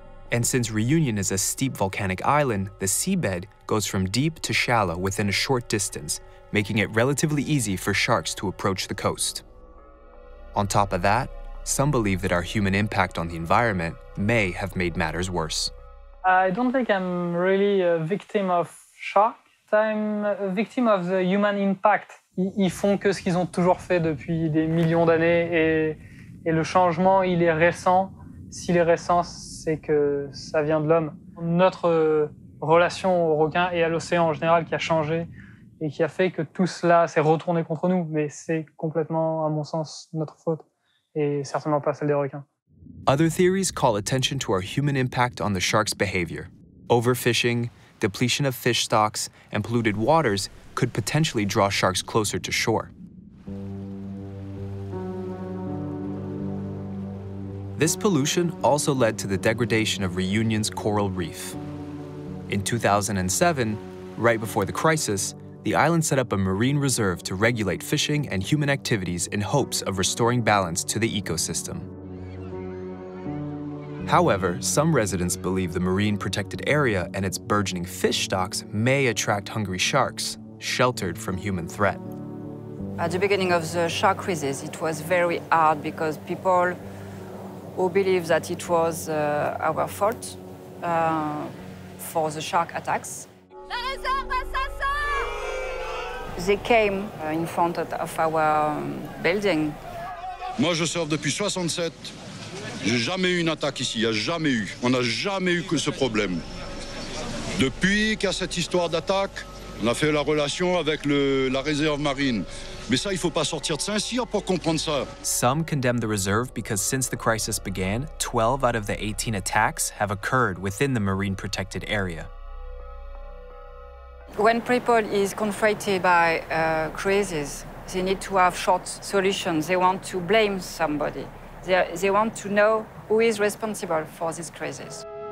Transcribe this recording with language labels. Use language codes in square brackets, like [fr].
[en] And since Reunion is a steep volcanic island, the seabed goes from deep to shallow within a short distance, making it relatively easy for sharks to approach the coast. On top of that, some believe that our human impact on the environment may have made matters worse. I don't think I'm really a victim of shark. I'm a victim of the human impact. [fr] Ils font que ce qu'ils ont toujours fait depuis des millions d'années et le changement, il est récent. S'il est récent, c'est que ça vient de l'homme. Notre relation aux requins et à l'océan en général qui a changé et qui a fait que tout cela s'est retourné contre nous. Mais c'est complètement, à mon sens, notre faute et certainement pas celle des requins. [en] Other theories call attention to our human impact on the shark's behavior. Overfishing, depletion of fish stocks, and polluted waters could potentially draw sharks closer to shore. This pollution also led to the degradation of Reunion's coral reef. In 2007, right before the crisis, the island set up a marine reserve to regulate fishing and human activities in hopes of restoring balance to the ecosystem. However, some residents believe the marine protected area and its burgeoning fish stocks may attract hungry sharks, sheltered from human threat. At the beginning of the shark crisis, it was very hard because people who believe that it was our fault for the shark attacks, they came in front of our building. [fr] Moi, je surfe depuis 67. J'ai jamais eu une attaque ici, il n'y a jamais eu. On n'a jamais eu que ce problème. Depuis qu'il y a cette histoire d'attaque, on a fait la relation avec la réserve marine. Mais ça, il ne faut pas sortir de Saint-Cyr pour comprendre ça. [en] Some condemn the reserve because since the crisis began, 12 out of the 18 attacks have occurred within the marine protected area. When people is confronted by crisis, they need to have short solutions. They want to blame somebody. They want to know who is responsible for this crisis.